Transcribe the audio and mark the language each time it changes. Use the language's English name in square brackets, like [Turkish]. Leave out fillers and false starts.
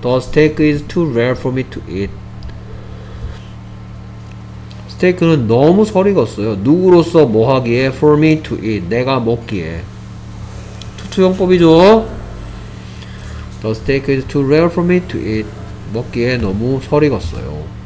[English] The steak is too rare for me to eat. [Korean] 스테이크는 너무 설익었어요. 누구로서 뭐 하기에? [English] For me to eat. [Korean] 내가 먹기에. 투투용법이죠. [English] The steak is too rare for me to eat. [Korean] 먹기에 너무 설익었어요.